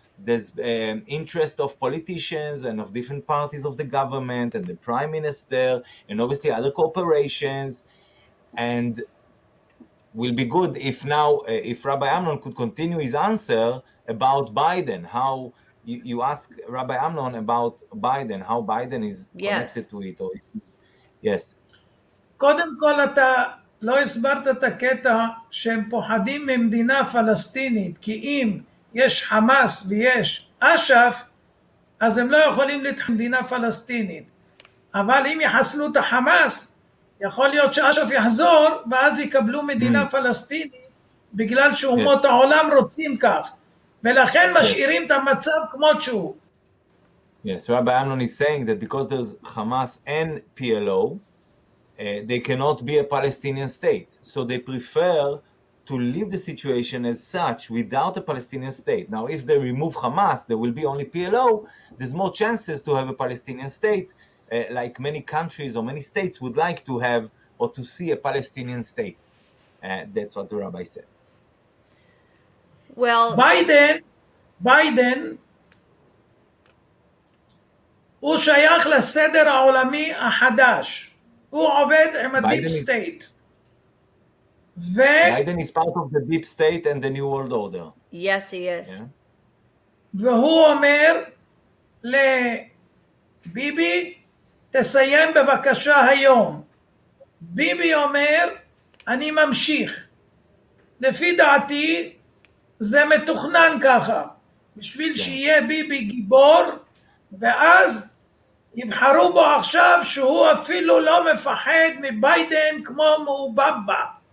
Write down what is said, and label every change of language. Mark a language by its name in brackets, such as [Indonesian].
[English] There's interest of politicians and of different parties of the government and the prime minister and obviously other corporations. And will be good if now, if Rabbi Amnon could continue his answer about Biden, how you ask Rabbi Amnon about Biden, how Biden is connected to it. Or, yes. [Hebrew] קודם כל אתה לא הסברת את הקטע שהם פוחדים ממדינה פלסטינית, כי אם יש חמאס ויש אשף, אז הם לא יכולים להתחיל מדינה פלסטינית. אבל אם יחסלו את החמאס, יכול להיות שאשף יחזור, ואז יקבלו מדינה פלסטינית, בגלל שאומות העולם רוצים כך. ולכן משאירים את המצב כמו שהוא. [English] Yes, Rabbi Amnon is saying that because there's חמאס and PLO, they cannot be a Palestinian state. So they prefer to leave the situation as such without a Palestinian state. Now, if they remove Hamas, there will be only PLO, there's more chances to have a Palestinian state, like many countries or many states would like to have or to see a Palestinian state. That's what the rabbi said. Well, [Hebrew] Biden, הוא שייך לסדר העולמי החדש. הוא עובד עם הדיפ סטייט. [English] Biden is part of the deep state and the new world order. Yes, he is. [Hebrew] והוא אומר לביבי, תסיים בבקשה היום. ביבי אומר, אני ממשיך. לפי דעתי, זה מתוכנן ככה, בשביל שיהיה ביבי גיבור, ואז יבחרו בו עכשיו שהוא אפילו לא מפחד מביידן כמו מאובבה.